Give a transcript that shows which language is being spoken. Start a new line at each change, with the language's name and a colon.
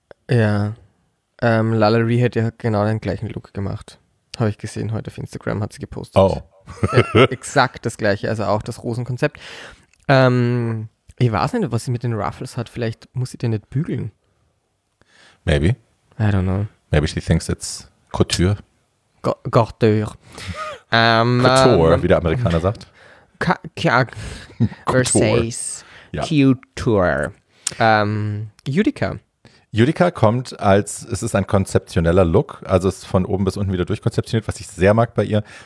German: Ja. Lalari hat ja genau den gleichen Look gemacht. Habe ich gesehen heute auf Instagram, hat sie gepostet. Oh. exakt das gleiche, also auch das Rosenkonzept. Ich weiß nicht, was sie mit den Ruffles hat. Vielleicht muss sie den nicht bügeln.
English: Maybe. I don't know. Maybe she thinks it's Couture. Couture.
German: Couture, wie der Amerikaner sagt. Versace. Couture. Utica. Utica kommt als, es ist ein konzeptioneller Look, also es ist von oben bis unten wieder durchkonzeptioniert, was ich sehr mag bei ihr.